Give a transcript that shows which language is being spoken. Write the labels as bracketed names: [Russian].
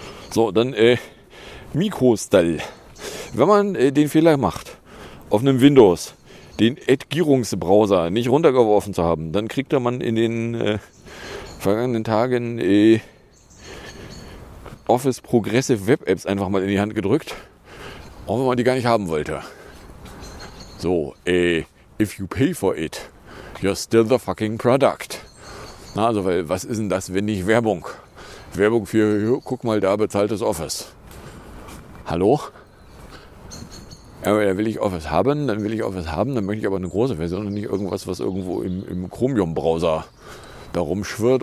[German] So, dann Mikrostall. Wenn man den Fehler macht, auf einem Windows den Edgierungsbrowser nicht runtergeworfen zu haben, dann kriegt man in den vergangenen Tagen Office Progressive Web Apps einfach mal in die Hand gedrückt, auch wenn man die gar nicht haben wollte. [English] So, if you pay for it, you're still the fucking product. [German] Na, also, weil, was ist denn das, wenn nicht Werbung? Werbung für, guck mal, da bezahltes Office. Hallo? Aber da will ich Office haben, dann will ich Office haben, dann möchte ich aber eine große Version und nicht irgendwas, was irgendwo im Chromium-Browser da rumschwirrt.